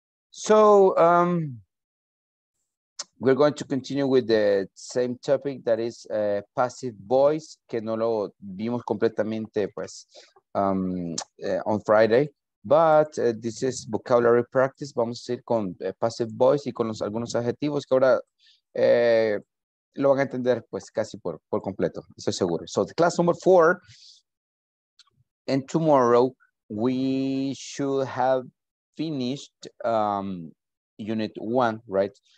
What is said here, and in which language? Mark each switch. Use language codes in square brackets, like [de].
[en] So we're going to continue with the same topic that is passive voice, [es] que no lo vimos completamente pues on [en] Friday. But this is vocabulary practice. [es] Vamos a ir con passive voice y con los, algunos adjetivos que ahora lo van a entender pues casi por completo, estoy seguro. [en] So the class number 4, and tomorrow we should have finished unit 1, right?